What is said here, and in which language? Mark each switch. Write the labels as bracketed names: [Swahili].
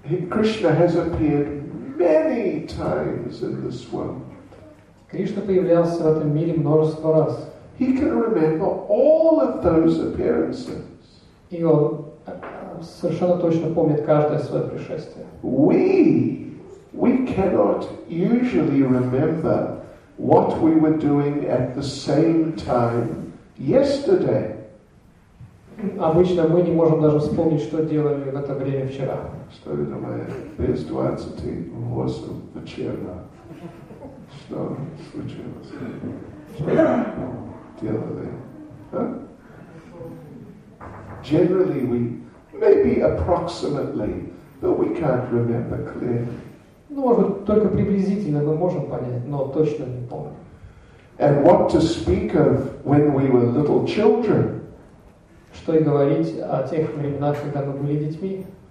[English] Krishna has appeared many times in this world. [Russian] Кришна появлялся в этом мире множество раз. [English] He can remember all of those appearances. [Russian] И он совершенно точно помнит каждое свое пришествие. [English] We cannot usually remember what we were doing at the same time yesterday. [Russian] Обычно мы не можем даже вспомнить, что делали в это время вчера. Что это моя без 28 вечера. Что случилось? Что делали? [English] Generally, we maybe approximately, but we can't remember clearly. [Russian] Ну, может, только приблизительно мы можем понять, но точно не помним. [English] And what to speak of when we were little children? [Russian] Что и говорить о тех временах, когда мы были детьми?